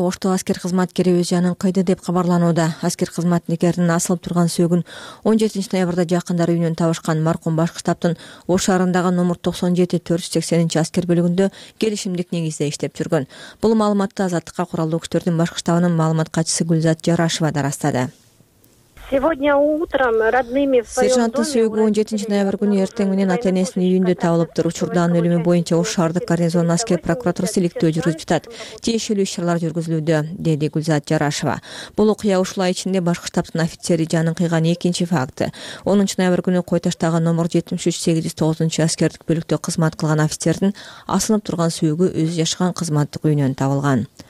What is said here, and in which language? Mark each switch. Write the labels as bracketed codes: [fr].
[ky] Ошто аскер кызматкерибиз жанын койду деп кабарланууда. Аскер кызматкеринин асылып турган сөөгүн 17 ноябрда жакындары үйүнөн табышкан маркум баш штабтын Ош шаарындагы номер 97-480 аскер бөлүгүндө келишимдик негизде иштеп жүргөн. Бул маалыматты Азаттыкка куралдуу күчтөрдүн баш штабынын маалымат катчысы Гүлзат Жарашева да ырастады. [ru] Сегодня утром родными в своём доме. [ky] Сержанттын сөөгү 17 ноябрь күнү эртең менен атенесинин үйүндө табылыптыр. Учурда анын өлүмү боюнча Ош шаардык гарнизонунун аскер прокуратурасы иликтөө жүргүзүп жатат. Тиешелүү иш-чаралар жүргүзүлүүдө, деди Гүлзат Жарашева. Бул окуя ушулай ичинде баш штабтын офицери жанын кыйган экинчи факты. 10 ноябрь күнү Койташтагы номер 73-809 аскердик бөлүктө кызмат кылган офицердин асынып турган сөөгү өзү жашаган кызматтык үйүнөн табылган.